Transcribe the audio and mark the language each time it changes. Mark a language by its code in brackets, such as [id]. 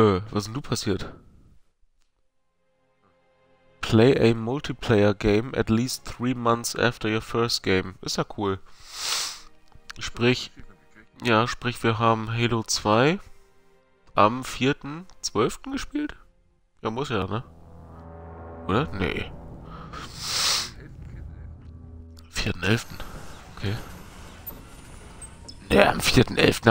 [de] Was ist denn du passiert? [en] Play a multiplayer game at least 3 months after your first game. [de] Ist ja cool. Sprich, ja, sprich, wir haben Halo 2 am 4.12. gespielt? Ja, muss ja, ne? Oder? Nee. 4.11. Okay. Ne, am 4.11.